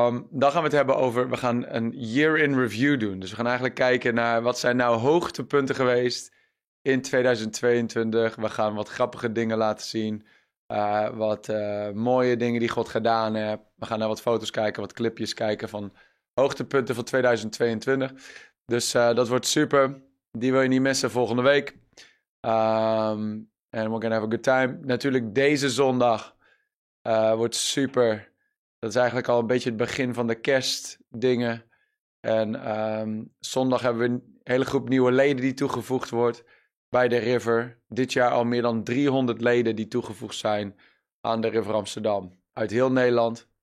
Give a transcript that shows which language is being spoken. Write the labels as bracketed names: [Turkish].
[Dutch] Dan gaan we het hebben over, we gaan een year in review doen. Dus we gaan eigenlijk kijken naar wat zijn nou hoogtepunten geweest in 2022. We gaan wat grappige dingen laten zien. Wat mooie dingen die God gedaan heeft. We gaan naar wat foto's kijken, wat clipjes kijken van hoogtepunten van 2022. Dus dat wordt super. Die wil je niet missen volgende week. [English] And we're gonna have a good time. [Dutch] Natuurlijk deze zondag wordt super. Dat is eigenlijk al een beetje het begin van de kerstdingen. En zondag hebben we een hele groep nieuwe leden die toegevoegd wordt bij de River. Dit jaar al meer dan 300 leden die toegevoegd zijn aan de River Amsterdam. Uit heel Nederland.